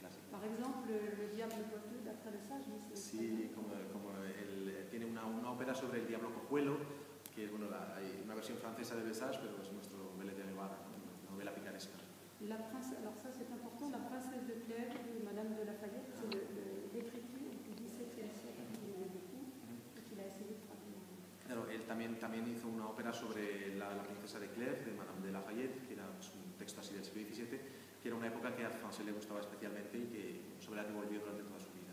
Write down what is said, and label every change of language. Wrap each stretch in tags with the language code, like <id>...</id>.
<fr>Par exemple, Le Diable Cojuelo, d'après le sage,</fr> <es>sí, como él tiene una ópera sobre el Diablo Cojuelo, que es bueno, hay una versión francesa de Le Sage, pero es nuestro Belet de Guevara, novela picaresca.</es> <fr>La princesse, alors ça c'est important, la princesse de Clèves, Madame de Lafayette, c'est l'écriture du XVIIe siècle qu'il aimait beaucoup et qu'il a essayé de traduire. Alors, il a aussi fait une opéra sur la princesse de Clèves, de Madame de Lafayette.</fr> <es>es un texto así del siglo XVII, que era una época que a Alfonso le gustaba especialmente y que sobre la que volvió durante toda su vida.</es>